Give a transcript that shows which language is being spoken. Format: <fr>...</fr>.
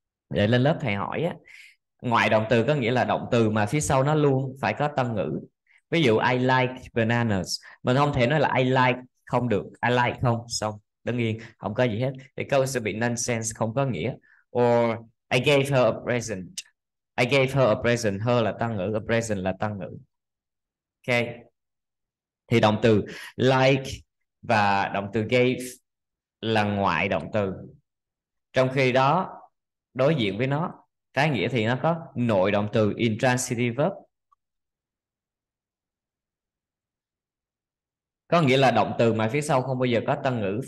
<vi>Để lên lớp thầy hỏi á. Ngoại động từ có nghĩa là động từ mà phía sau nó luôn phải có tân ngữ. Ví dụ</vi> <en>I like bananas,</en> <vi>mình không thể nói là I like không được, I like không, xong đứng yên không có gì hết thì câu sẽ bị nonsense, không có nghĩa.</vi> <en>Or I gave her a present, I gave her a present, her</en> <vi>là tân ngữ,</vi> <en>a present là tân ngữ.</en> <vi>Ok, thì động từ like và động từ gave là ngoại động từ, trong khi đó đối diện với nó trái nghĩa thì nó có nội động từ intransitive verb, có nghĩa là động từ mà phía sau không bao giờ có tân ngữ.</vi>